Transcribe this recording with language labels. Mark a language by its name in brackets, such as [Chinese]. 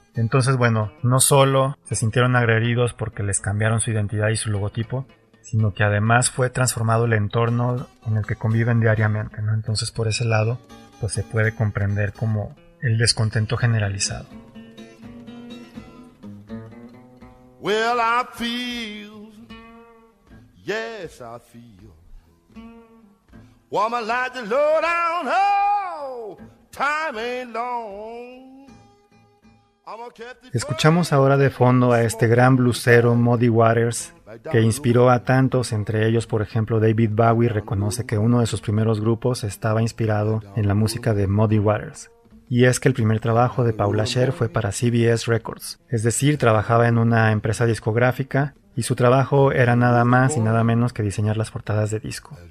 [Spanish] Entonces, bueno, no solo se sintieron agredidos porque les cambiaron su identidad y su logotipo, sino que además fue transformado el entorno en el que conviven diariamente, ¿no? Entonces, por ese lado, pues se puede comprender como el descontento generalizado. [English] Well, I feel, yes, I feel, woman like the lowdown, oh, time ain't long. [Spanish] Escuchamos ahora de fondo a este gran bluesero Muddy Waters, que inspiró a tantos, entre ellos por ejemplo David Bowie reconoce que uno de sus primeros grupos estaba inspirado en la música de Muddy Waters. Y es que el primer trabajo de Paula Scher fue para CBS Records, es decir, trabajaba en una empresa discográfica y su trabajo era nada más y nada menos que diseñar las portadas de disco.